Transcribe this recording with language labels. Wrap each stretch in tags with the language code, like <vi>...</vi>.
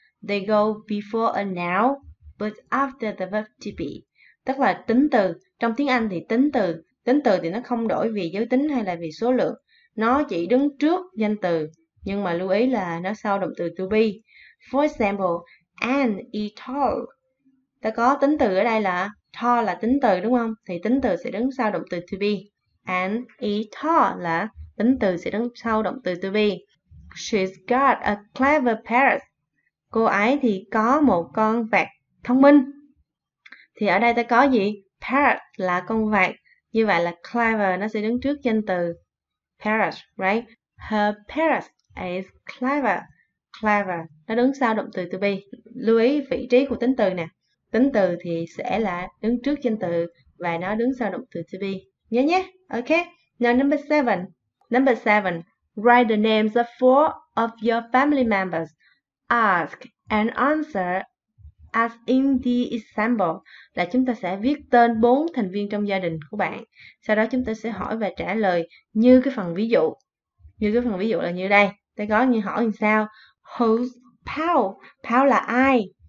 <en>They go before a noun, but after the verb to be.</en> <vi>Tức là tính từ. Trong tiếng Anh thì tính từ thì nó không đổi về giới tính hay là về số lượng. Nó chỉ đứng trước danh từ, nhưng mà lưu ý là nó sau động từ to be.</vi> <en>For example, Anne is tall.</en> <vi>Ta có tính từ ở đây là tall là tính từ đúng không? Thì tính từ sẽ đứng sau động từ to be.</vi> <en>And is tall</en> <vi>là tính từ sẽ đứng sau động từ to be.</vi> <en>She's got a clever parrot.</en> <vi>Cô ấy thì có một con vẹt thông minh. Thì ở đây ta có gì? Parrot là con vẹt. Như vậy là clever nó sẽ đứng trước danh từ parrot, right?</vi> <en>Her parrot is clever.</en> <vi>Clever nó đứng sau động từ to be. Lưu ý vị trí của tính từ nè. Tính từ thì sẽ là đứng trước danh từ và nó đứng sau động từ to be. Nhớ nhé.</vi> <en>Ok. Now number 7. Number 7. Write the names of four of your family members. Ask and answer as in the example.</en> <vi>Là chúng ta sẽ viết tên bốn thành viên trong gia đình của bạn. Sau đó chúng ta sẽ hỏi và trả lời như cái phần ví dụ. Như cái phần ví dụ là như đây. Ta có như hỏi như sao?</vi> <en>Who's Pao?</en> <vi>Pao là ai?</vi>